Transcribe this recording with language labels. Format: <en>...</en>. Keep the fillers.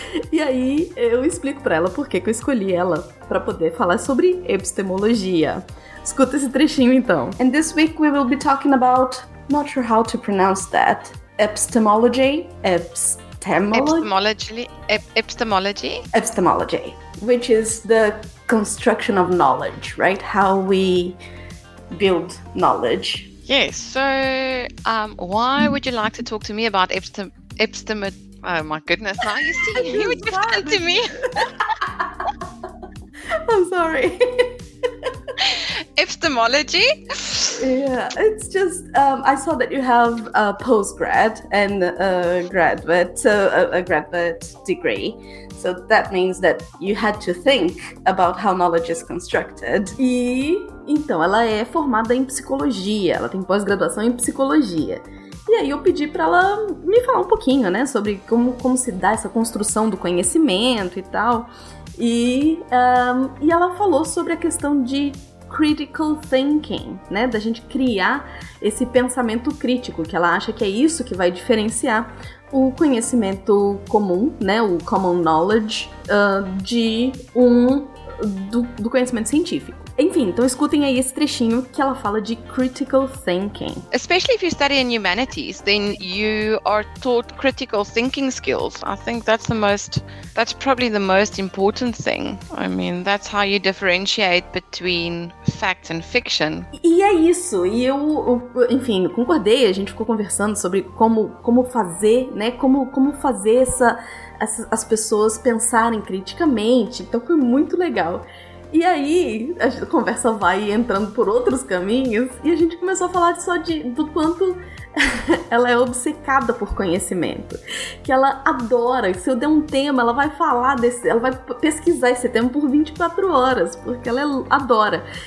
<pt>e aí eu explico pra ela por que, que eu escolhi ela pra poder falar sobre epistemologia. Escuta esse trechinho então.</pt> <en>And this week we will be talking about, not sure how to pronounce that, epistemology, epistemology, Epistemology, ep- epistemology. epistemology, which is the construction of knowledge, right? How we build knowledge. Yes. So, um, why would you like to talk to me about epistem epistem? Oh my goodness! Now you see, you would just come to me. I'm sorry. Epistemology. yeah, it's just um, I saw that you have a postgrad and a graduate, so a, a graduate degree. So that means that you had to think about how knowledge is constructed.</en> <pt>E então ela é formada em psicologia, ela tem pós-graduação em psicologia. E aí eu pedi pra ela me falar um pouquinho, né, sobre como, como se dá essa construção do conhecimento e tal. E, ahn, e ela falou sobre a questão de critical thinking, né, da gente criar esse pensamento crítico, que ela acha que é isso que vai diferenciar o conhecimento comum, né, o common knowledge, ah, de um do, do conhecimento científico. Enfim, então escutem aí esse trechinho que ela fala de critical thinking.</pt> <en>Especially if you study in humanities, then you are taught critical thinking skills. I think that's the most. That's probably the most important thing. I mean, that's how you differentiate between fact and fiction.</en> <pt>E é isso, e eu, eu- enfim, concordei, a gente ficou conversando sobre como, como fazer, né, como, como fazer essa, essa- as pessoas pensarem criticamente, então foi muito legal. E aí, a gente- a conversa vai entrando por outros caminhos, e a gente começou a falar só de, do quanto ela é obcecada por conhecimento, que ela adora, e se eu der um tema, ela vai falar desse, ela vai pesquisar esse tema por 24 horas, porque ela é- adora.</pt>